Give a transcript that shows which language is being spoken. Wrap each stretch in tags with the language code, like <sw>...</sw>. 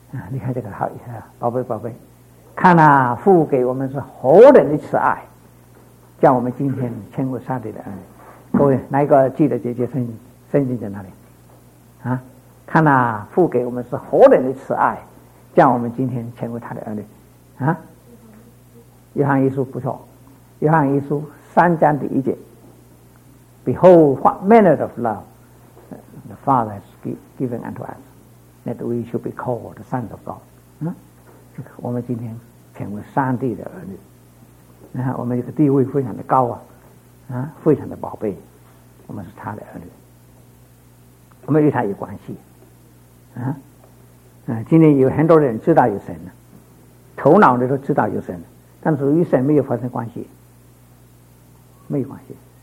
<zh>你看这个好，宝贝宝贝，看啊，父给我们是何等的慈爱，叫我们今天成为上帝的儿女。各位，哪一个记得这些圣经在哪里？啊，看啊，父给我们是何等的慈爱，叫我们今天成为他的儿女。啊，约翰一书不错，约翰一书三章第一节</zh> <en>，Behold what manner of love the Father has given unto us, that we should be called the sons of God。</en> <zh>嗯，这个我们今天成为上帝的儿女。你看，我们这个地位非常的高啊，啊，非常的宝贝，我们是他的儿女，我们与他有关系，今天有很多人知道有神了，头脑里都知道有神了，但是与神没有发生关系，没有关系。</zh>